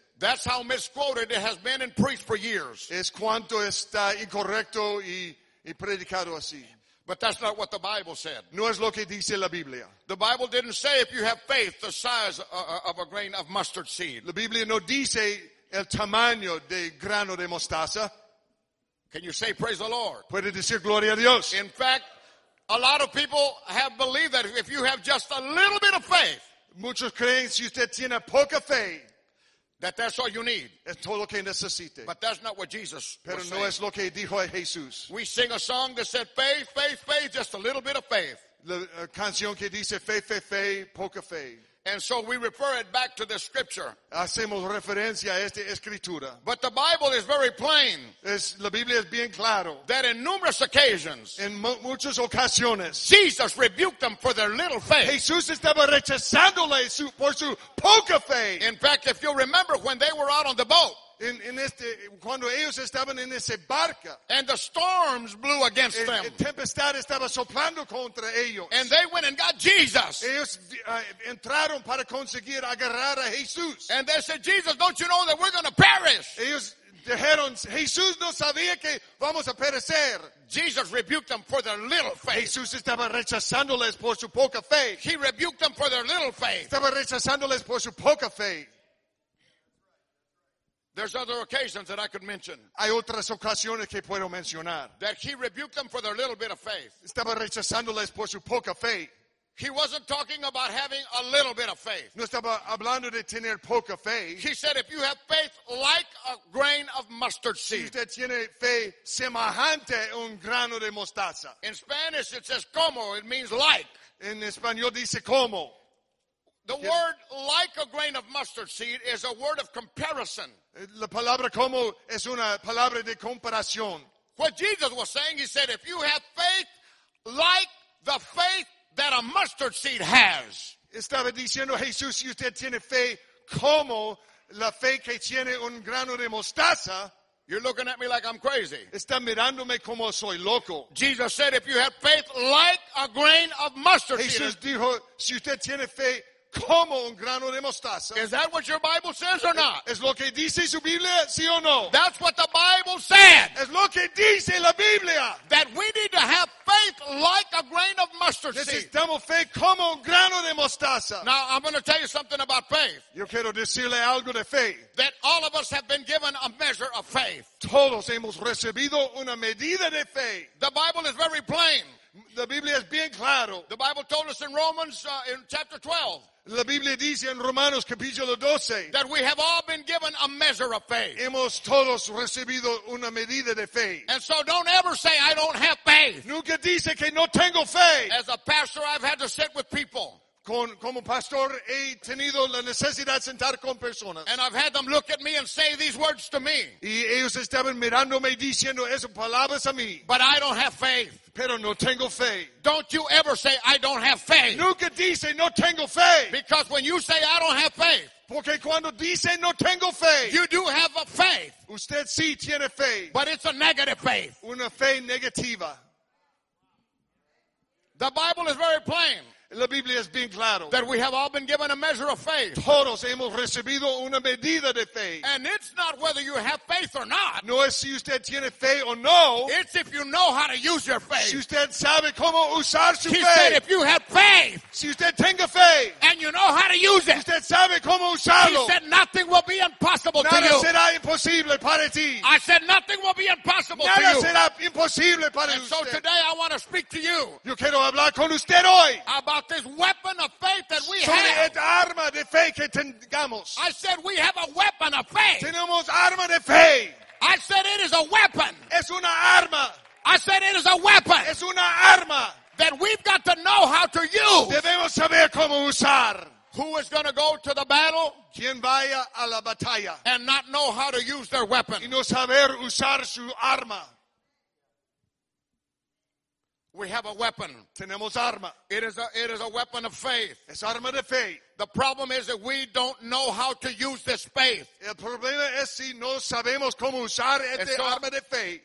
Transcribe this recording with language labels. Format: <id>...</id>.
<en>That's how misquoted it has been and preached for years.</en> <es>Es cuanto está incorrecto y predicado así.</es> <en>But that's not what the Bible said.</en> <es>No es lo que dice la Biblia.</es> <en>The Bible didn't say if you have faith the size of a grain of mustard seed.</en> <es>La Biblia no dice el tamaño de grano de mostaza.</es> <en>Can you say praise the Lord?</en> <es>Puede decir gloria a Dios.</es> <en>In fact, a lot of people have believed that if you have just a little bit of faith.</en> <es>Muchos creen si usted tiene poca fe.</es> <en>That's all you need.</en> <es>Es todo lo que necesite.</es> <en>But that's not what Jesus</en> <es>Pero</es> <en>was</en> <es>no</es> <en>saying.</en> <es>Es lo que dijo Jesús.</es> <en>We sing a song that said faith, faith, faith, just a little bit of faith.</en> <es>La canción que dice fe, fe, fe, poca fe.</es> <en>And so we refer it back to the scripture.</en> <es>Hacemos referencia a esta escritura.</es> <en>But the Bible is very plain.</en> <es>La Biblia es bien claro.</es> <en>That in numerous occasions.</en> <es>En muchas ocasiones.</es> <en>Jesus rebuked them for their little faith.</en> <es>Jesús estaba rechazándoles por su poca fe.</es> <en>In fact, if you remember when they were out on the boat.</en> <es>Cuando ellos estaban en ese barca.</es> <en>And the storms blew against them.</en> <es>La tempestad estaba soplando contra ellos.</es> <en>And they went and got Jesus.</en> <es>Ellos entraron para conseguir agarrar a Jesús.</es> <en>And they said, Jesus, don't you know that we're going to perish?</en> <es>Ellos dijeron, Jesús no sabía que vamos a perecer.</es> <en>Jesus rebuked them for their little faith.</en> <es>Jesús estaba rechazándoles por su poca fe.</es> <en>He rebuked them for their little faith.</en> <es>Estaba rechazándoles por su poca fe.</es> <en>There's other occasions that I could mention.</en> <es>Hay otras ocasiones que puedo mencionar.</es> <en>That he rebuked them for their little bit of faith.</en> <es>Estaba rechazándoles por su poca fe.</es> <en>He wasn't talking about having a little bit of faith.</en> <es>No estaba hablando de tener poca fe.</es> <en>He said, if you have faith like a grain of mustard seed.</en> <es>Si usted tiene fe semejante un grano de mostaza.</es> <en>In Spanish, it says como. It means like.</en> <es>En español dice como.</es> <en>The word like a grain of mustard seed is a word of comparison.</en> <es>La palabra como es una palabra de comparación.</es> <en>What Jesus was saying, he said, if you have faith like the faith that a mustard seed has.</en> <es>Estaba diciendo Jesús, si usted tiene fe como la fe que tiene un grano de mostaza.</es> <en>You're looking at me like I'm crazy.</en> <es>Está mirándome como soy loco.</es> <en>Jesus said, if you have faith like a grain of mustard</en> <es>Jesús</es> <en>seed.</en> <es>Jesús dijo, si usted tiene fe como un grano de mostaza.</es> <en>Is that what your Bible says or not?</en> <es>Es lo que dice su Biblia, sí o no?</es> <en>That's what the Bible said.</en> <es>Es lo que dice la Biblia.</es> <en>That we need to have faith like a grain of mustard seed.</en> <es>Necesitamos fe como un grano de mostaza.</es> <en>Now, I'm going to tell you something about faith.</en> <es>Yo quiero decirle algo de fe.</es> <en>That all of us have been given a measure of faith.</en> <es>Todos hemos recibido una medida de fe.</es> <en>The Bible is very plain.</en> <es>La Biblia es bien claro.</es> <en>The Bible told us in Romans, in chapter 12.</en> <es>La Biblia dice en Romanos capítulo 12</es> <en>that we have all been given a measure of faith.</en> <es>Hemos todos recibido una medida de fe.</es> <en>And so don't ever say I don't have faith.</en> <es>Nunca dice que no tengo fe.</es> <en>As a pastor, I've had to sit with people.</en> <es>Como pastor he tenido la necesidad de sentar con personas.</es> <en>And I've had them look at me and say these words to me.</en> <es>Y ellos estaban mirándome diciendo esas palabras a mí.</es> <en>But I don't have faith.</en> <es>Pero no tengo fe.</es> <en>Don't you ever say I don't have faith.</en> <es>Nunca dice no tengo fe.</es> <en>Because when you say I don't have faith.</en> <es>Porque cuando dice no tengo fe.</es> <en>You do have a faith.</en> <es>Usted sí tiene fe.</es> <en>But it's a negative faith.</en> <es>Una fe negativa.</es> <en>The Bible is very plain.</en> <es>La Biblia es bien claro.</es> <en>That we have all been given a measure of faith.</en> <es>Todos hemos recibido una medida de fe.</es> <en>And it's not whether you have faith or not.</en> <es>No es si usted tiene fe o no.</es> <en>It's if you know how to use your faith.</en> <es>Si usted sabe cómo usar su</es> <en>he</en> <es>fe.</es> <en>He said if you have faith.</en> <es>Si usted tenga fe.</es> <en>And you know how to use it.</en> <es>Si usted sabe cómo usarlo.</es> <en>He said nothing will be impossible</en> <es>nada</es> <en>to you.</en> <es>Nada será imposible para ti.</es> <en>I said nothing will be impossible</en> <es>nada</es> <en>to you.</en> <es>Nada será imposible para</es> <en>and</en> <es>usted.</es> <en>And so today I want to speak to you.</en> <es>Yo quiero hablar con usted hoy.</es> <en>About this weapon of faith that we</en> <es>sobre</es> <en>have.</en> <es>Sobre arma de fe que tengamos.</es> <en>I said we have a weapon of faith.</en> <es>Tenemos arma de fe.</es> <en>I said it is a weapon.</en> <es>Es una arma.</es> <en>I said it is a weapon.</en> <es>Es una arma.</es> <en>That we've got to know how to use.</en> <es>Debemos saber cómo usar.</es> <en>Who is going to go to the battle?</en> <es>¿Quién vaya a la batalla?</es> <en>And not know how to use their weapon.</en> <es>Y no saber usar su arma.</es> <en>We have a weapon.</en> <es>Tenemos arma.</es> <en>It is a weapon of faith.</en> <es>Es arma de fe.</es> <en>The problem is that we don't know how to use this faith.</en> <es>El problema es si no sabemos cómo usar este arma de fe.</es>